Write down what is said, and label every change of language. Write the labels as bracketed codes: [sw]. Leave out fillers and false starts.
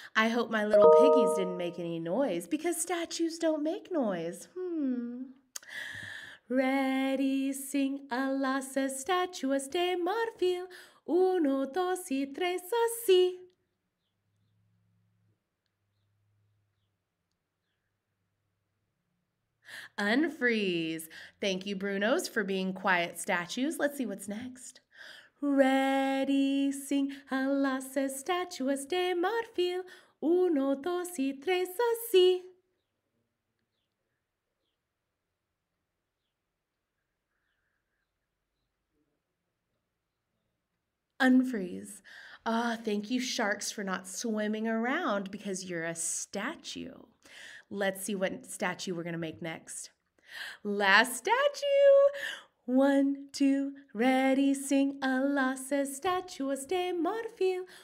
[en] I hope my little piggies didn't make any noise because statues don't make noise. Ready, sing. [es] A las estatuas de marfil. Uno, dos, y tres, así. [en] Unfreeze. Thank you, Brunos, for being quiet statues. Let's see what's next. Ready, sing. [es] A las estatuas de marfil. Uno, dos, y tres, así. [en] Unfreeze. Ah, thank you, sharks, for not swimming around because you're a statue. Let's see what statue we're going to make next. Last statue. One, two, ready, sing. [es] A las estatuas de marfil.